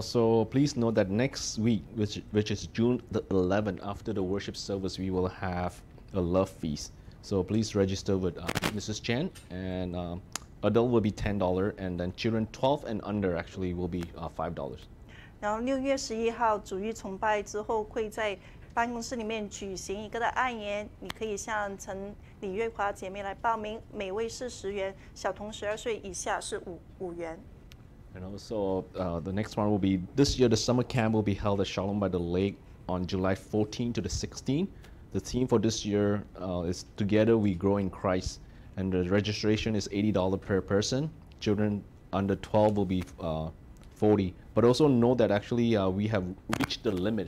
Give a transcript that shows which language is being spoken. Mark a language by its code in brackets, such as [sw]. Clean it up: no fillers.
[en] also, please note that next week, which is June the 11th, after the worship service, we will have a love feast. So please register with Mrs. Chen, and adult will be $10, and then children 12 and under actually will be $5. [zh] 然后6月11号主日崇拜之后会在办公室里面举行一个的爱宴，你可以向陈李月华姐妹来报名，每位是10元，小童12岁以下是5元。 [en] And also, the next one will be, this year the summer camp will be held at Shalom by the Lake on July 14 to the 16th. The theme for this year is Together We Grow in Christ, and the registration is $80 per person. Children under 12 will be $40. But also know that actually we have reached the limit.